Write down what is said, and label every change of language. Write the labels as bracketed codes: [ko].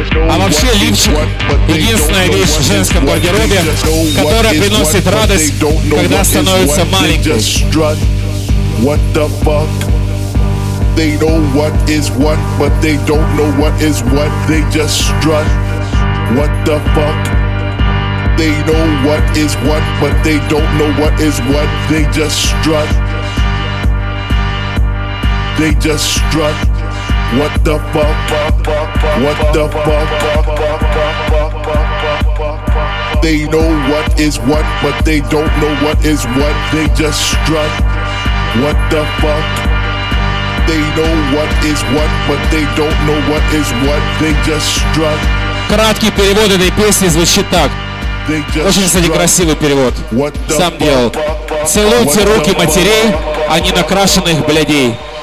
[ru] А вообще лифчик — единственная вещь в женском гардеробе, которая приносит радость, когда становится маленькой. [en] What the fuck? They know what is what, but they don't know what is what. They just strut. What the fuck? They know what is what, but they don't know what is what. They just strut. They just strut. What the fuck? What the fuck? They know what is what, but they don't know what is what. They just strut. What the fuck? They know what is what, but they don't know what is what. They just strut. [ru] Краткий перевод этой песни звучит так. Очень, кстати, красивый перевод. Сам делал. Целуйте руки матерей, а не накрашенных блядей.